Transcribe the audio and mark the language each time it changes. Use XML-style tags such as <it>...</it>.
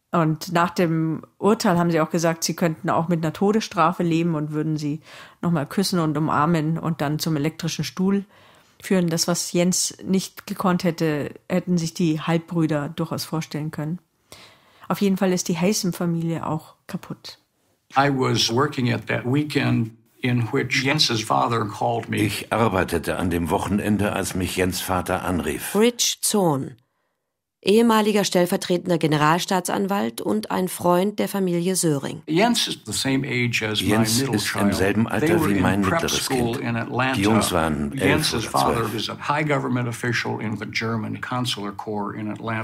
<de>Und nach dem Urteil haben sie auch gesagt, sie könnten auch mit einer Todesstrafe leben und würden sie nochmal küssen und umarmen und dann zum elektrischen Stuhl führen. Das, was Jens nicht gekonnt hätte, hätten sich die Halbbrüder durchaus vorstellen können. Auf jeden Fall ist die Haysom-Familie auch kaputt.</de> <en>I was working at that weekend in which Jens' father called me.</en> <de>Ich arbeitete an dem Wochenende, als mich Jens' Vater anrief. Rich Zorn, ehemaliger stellvertretender Generalstaatsanwalt und ein Freund der Familie Söring. Jens ist im selben Alter wie mein mittleres Kind. Die Jungs waren 11 oder 12.</de>